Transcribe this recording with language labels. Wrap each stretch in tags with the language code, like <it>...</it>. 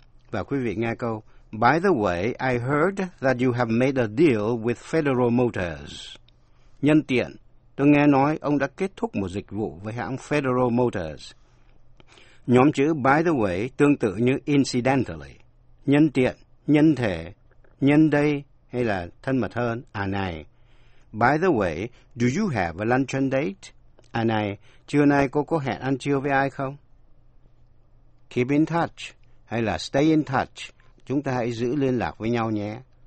<vi>Và quý vị nghe câu,</vi> <en>by the way, I heard that you have made a deal with Federal Motors.</en> <vi>Nhân tiện, tôi nghe nói ông đã kết thúc một dịch vụ với hãng Federal Motors. Nhóm chữ by the way tương tự như incidentally. Nhân tiện, nhân thể, nhân đây hay là thân mật hơn, à này.</vi> <en>By the way, do you have a luncheon date?</en> <vi>À này, trưa nay cô có hẹn ăn trưa với ai không?</vi> <en>Keep in touch</en> <vi>hay là</vi> <en>stay in touch.</en> <vi>Chúng ta hãy giữ liên lạc với nhau nhé.</vi>